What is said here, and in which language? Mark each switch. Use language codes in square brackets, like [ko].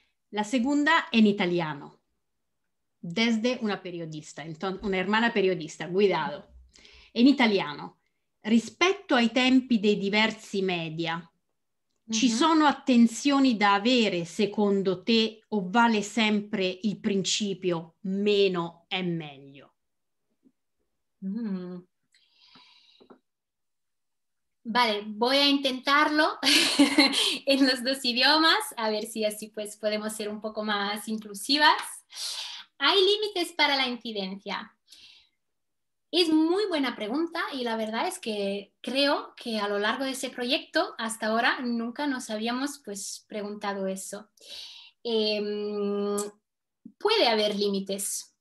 [es] La segunda en italiano, desde una periodista, una hermana periodista, cuidado. En italiano, [it] rispetto ai tempi dei diversi media, ci sono attenzioni da avere secondo te o vale sempre il principio meno è meglio? [es] Vale, voy a intentarlo en los dos idiomas, a ver si así pues podemos ser un poco más inclusivas. ¿Hay límites para la incidencia? Es muy buena pregunta y la verdad es que creo que a lo largo de ese proyecto hasta ahora nunca nos habíamos pues preguntado eso. Puede haber límites,